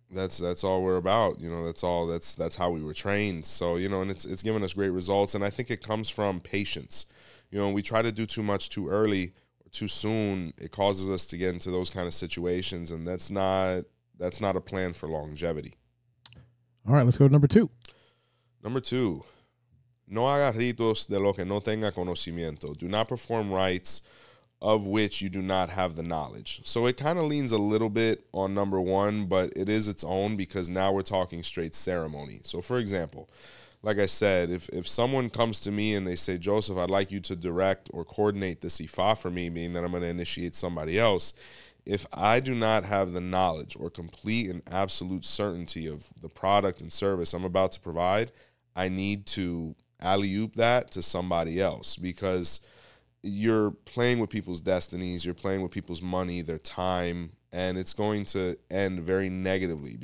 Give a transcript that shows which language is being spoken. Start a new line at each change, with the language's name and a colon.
English: That's all we're about. You know, that's how we were trained. So, you know, and it's given us great results. And I think it comes from patience. You know, we try to do too much too early, too soon, it causes us to get into those kind of situations, and that's not a plan for longevity. All right, let's go to number two. Number two,
Spanish: no haga ritos de lo que no tenga conocimiento.
English: Do not perform rites of which you do not have the knowledge. So it kind of leans a little bit on number one, but it is its own, because now we're talking straight ceremony. So for example, like I said, if someone comes to me and they say, Joseph, I'd like you to direct or coordinate this Ifa for me, meaning that I'm going to initiate somebody else, if I do not have the knowledge or complete and absolute certainty of the product and service I'm about to provide, I need to alley-oop that to somebody else, because you're playing with people's destinies, you're playing with people's money, their time, and it's going to end very negatively.